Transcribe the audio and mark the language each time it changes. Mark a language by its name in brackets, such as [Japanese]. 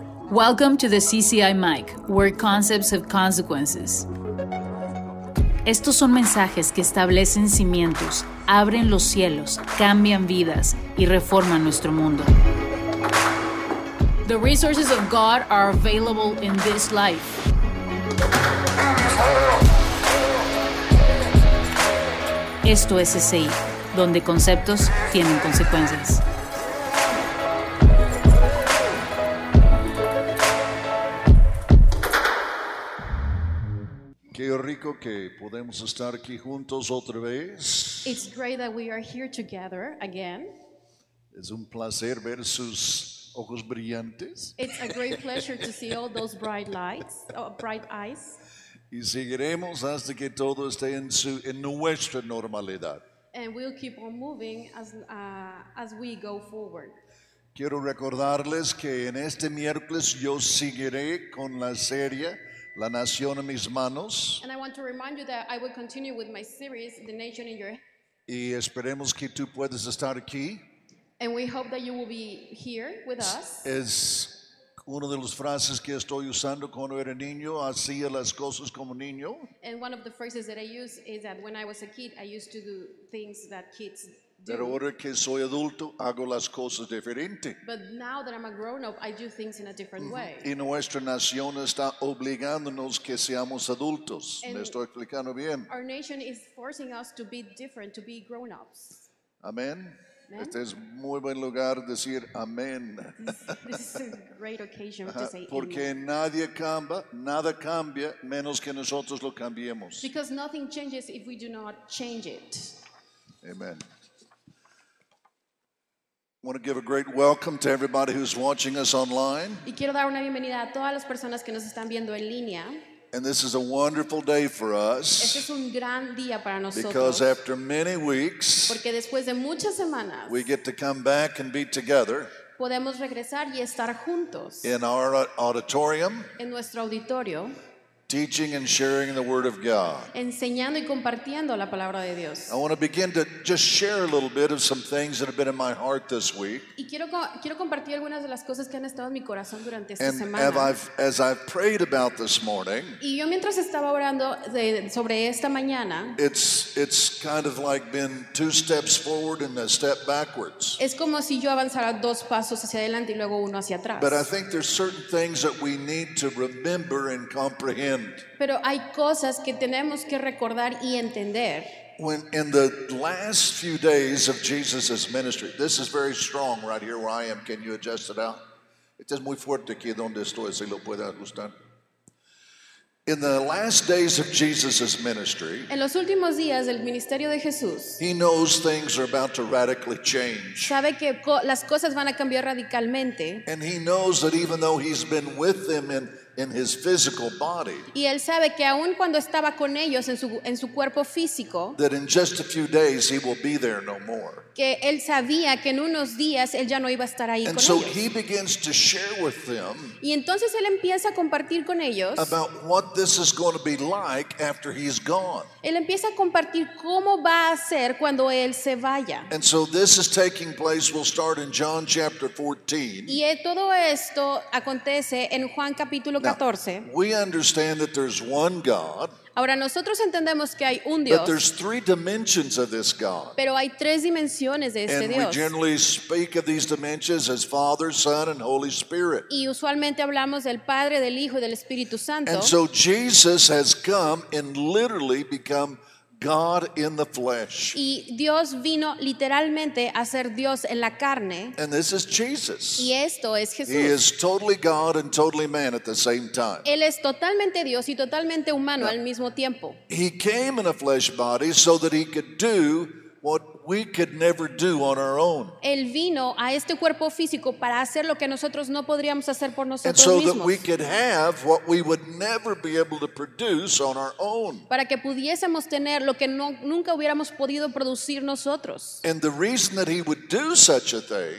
[English] Welcome to the CCI Mic, where concepts have consequences. [Spanish] Estos son mensajes que establecen cimientos, abren los cielos, cambian vidas y reforman nuestro mundo. [English] The resources of God are available in this life. [Spanish] Esto es CCI, donde conceptos tienen consecuencias. Qué rico que podemos estar aquí juntos otra vez. [English] It's great that we are here together again. [Spanish] Es un placer ver sus ojos brillantes. [English] It's a great pleasure to see all those bright lights, bright eyes. [Spanish] Y seguiremos hasta que todo esté en su en nuestra normalidad. [English] And we'll keep on moving as we go forward. [Spanish] Quiero recordarles que en este miércoles yo seguiré con la serie La Nación en Mis Manos. [English] And I want to remind you that I will continue with my series The Nation in Your Hands. [Spanish] Y esperemos que tú puedas estar aquí. [English] And we hope that you will be here with us. [Spanish] Es una de las frases que estoy usando cuando era niño, hacía las cosas como niño. [English] And one of the phrases that I use is that when I was a kid, I used to do things that kids do. [Spanish] Pero ahora que soy adulto, hago las cosas diferente. [English] But now that I'm a grown-up, I do things in a different way. [Spanish] Y nuestra nación está obligándonos que seamos adultos. [English] And [Spanish] me estoy explicando bien. [English] Our nation is forcing us to be different, to be grown-ups. [Spanish] Amén. Este es muy buen lugar decir amén. [English] This is a great occasion to say amen. [Spanish] Porque nadie cambia, nada cambia menos que nosotros lo cambiemos. [English] Because nothing changes if we do not change it. Amen. I want to give a great welcome to everybody who's watching us online. [Spanish] Y quiero dar una bienvenida a todas las personas que nos están viendo en línea. [English] And this is a wonderful day for us. [Spanish] Este es un gran día para nosotros. [English] Because after many weeks, [Spanish] porque después de muchas semanas, [English] we get to come back and be together. [Spanish] Podemos regresar y estar juntos. [English] In our auditorium. [Spanish] En nuestro auditorio. [English] Teaching and sharing the word of God. [Spanish] Enseñando y compartiendo la palabra de Dios. [English] I want to begin to just share a little bit of some things that have been in my heart this week. [Spanish] Y quiero compartir algunas de las cosas que han estado en mi corazón durante esta [English] and [Spanish] semana. [English] And as I've prayed about this morning. [Spanish] Y yo mientras estaba orando sobre esta mañana. [English] It's kind of like been two steps forward and a step backwards. [Spanish] Es como si yo avanzara dos pasos hacia adelante y luego uno hacia atrás. [English] But I think there's certain things that we need to remember and comprehend. [Spanish] Pero hay cosas que tenemos que recordar y entender. [English] When in the last few days of Jesus' ministry, this is very strong right here where I am. Can you adjust it out? [Spanish] Esto es muy fuerte aquí donde estoy, si lo puede ajustar. [English] In the last days of Jesus' ministry, [Spanish] en los últimos días del ministerio de Jesús, [English] he knows things are about to radically change. [Spanish] Sabe que las cosas van a cambiar radicalmente. [English] And he knows that even though he's been with them in his physical body. [Spanish] Y él sabe que aun cuando estaba con ellos en su cuerpo físico. [English] That in just a few days he will be there no more. [Spanish] Que él sabía que en unos días él ya no iba a estar ahí con ellos. [English] And so he begins to share with them. [Spanish] Y entonces él empieza a compartir con ellos. [English] About what this is going to be like after he's gone. [Spanish] Él empieza a compartir cómo va a ser cuando él se vaya. [English] And so this is taking place. We'll start in John chapter 14. [Spanish] Y todo esto acontece en Juan capítulo. [English] Now, we understand that there's one God. [Spanish] Ahora nosotros entendemos que hay un Dios. [English] But there's three dimensions of this God. [Spanish] Pero hay tres dimensiones de este [English] and [Spanish] Dios. [English] We generally speak of these dimensions as Father, Son, and Holy Spirit. [Spanish] Y usualmente hablamos del Padre, del Hijo, y del Espíritu Santo. [English] And so Jesus has come and literally become God in the flesh. [Spanish] Y Dios vino literalmente a ser Dios en la carne. [English] And this is Jesus. [Spanish] Y esto es Jesús. [English] He is totally God and totally man at the same time. [Spanish] Él es totalmente Dios y totalmente humano al mismo tiempo. [English] He came in a flesh body so that he could do what we could never do on our own. [Spanish] Él vino a este cuerpo físico para hacer lo que nosotros no podríamos hacer por nosotros mismos. [English] And so that we could have what we would never be able to produce on our own. [Spanish] Para que pudiésemos tener lo que nunca hubiéramos podido producir nosotros. [English] And the reason that he would do such a thing.